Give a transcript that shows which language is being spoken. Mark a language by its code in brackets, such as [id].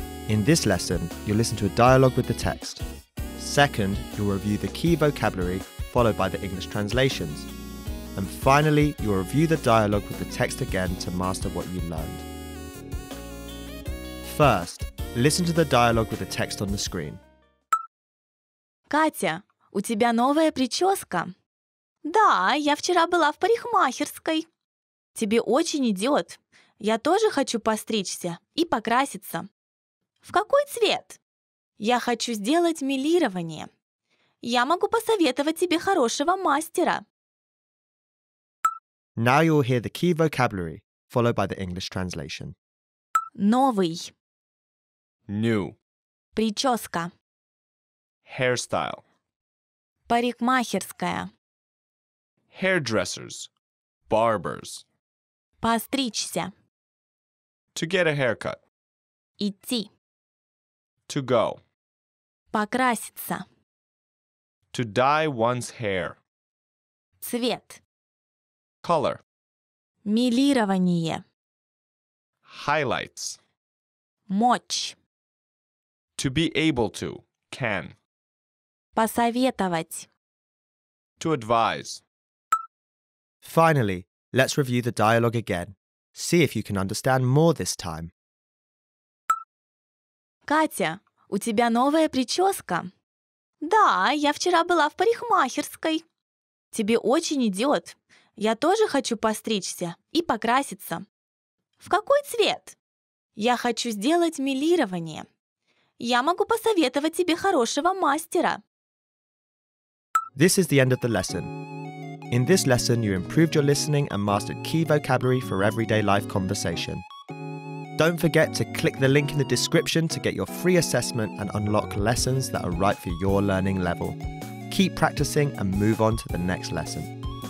[en] In this lesson, you'll listen to a dialogue with the text. Second, you'll review the key vocabulary followed by the English translations. And finally, you'll review the dialogue with the text again to master what you learned. First, listen to the dialogue with the text on the screen. [ru] Катя, у тебя новая прическа? Да, я вчера была в парикмахерской. Тебе очень идет. Я тоже хочу постричься и покраситься. В какой цвет? Я хочу сделать милирование. Я могу посоветовать тебе хорошего мастера. [en] Now you'll hear the key vocabulary, followed by the English translation. [ru] Новый. [en] New. [ru] Прическа. [en] Hairstyle. [ru] Парикмахерская. [en] Hairdressers. Barbers. [ru] Постричься. [en] To get a haircut. [ru] Идти. [en] To go. [ru] Покраситься. [en] To dye one's hair. [ru] Цвет. [en] Color. [ru] Милирование. [en] Highlights. [ru] Мочь. [en] To be able to, can. [ru] Посоветовать. [en] To advise. Finally, let's review the dialogue again. See if you can understand more this time. [ru] Катя, у тебя новая прическа? Да, я вчера была в парикмахерской. Тебе очень идет. Я тоже хочу постричься и покраситься. В какой цвет? Я хочу сделать милирование. Я могу посоветовать тебе хорошего мастера. [en] This is the end of the lesson. In this lesson, you improved your listening and mastered key vocabulary for everyday life conversation. Don't forget to click the link in the description to get your free assessment and unlock lessons that are right for your learning level. Keep practicing and move on to the next lesson.